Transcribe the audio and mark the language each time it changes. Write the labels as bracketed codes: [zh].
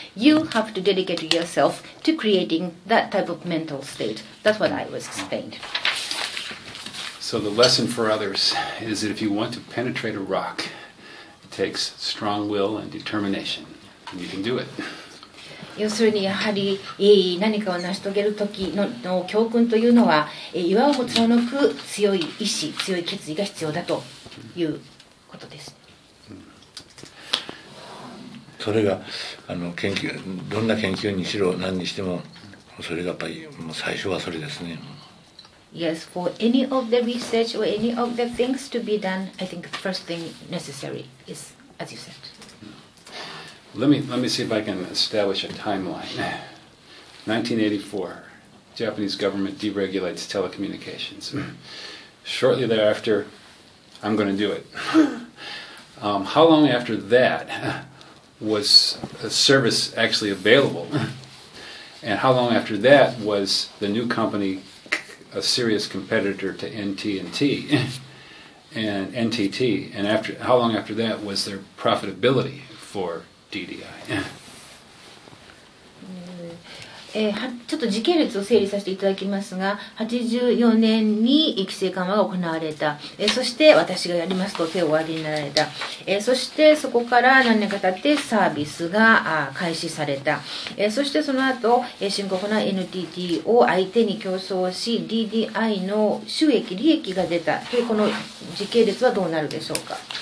[en] You have to dedicate yourself to creating that type of mental state. That's what I was explained. So the lesson for others is that if you want to penetrate a rock, it takes strong will and determination, and you can do it. [ja] 要するにやはり何かを成し遂げる時の教訓というのは、岩をも貫く強い意志、強い決意が必要だということです。それが研究、どんな研究にしろ何にしても、それがやっぱりもう最初はそれですね。 [en] Yes, for any of the research or any of the things to be done, I think the first thing necessary is as you said. Let me see if I can establish a timeline. 1984, Japanese government deregulates telecommunications. Shortly thereafter, I'm going to do it. How long after that was a service actually available? And how long after that was the new company a serious competitor to NTT? And NTT, and after, how long after that was their profitability for...DDI. [ja] ちょっと時系列を整理させていただきますが、84年に規制緩和が行われた、そして私がやりますと手を挙げになられた、そしてそこから何年か経ってサービスが開始された、そしてその後深刻な NTT を相手に競争し DDI の収益利益が出たという、この時系列はどうなるでしょうか。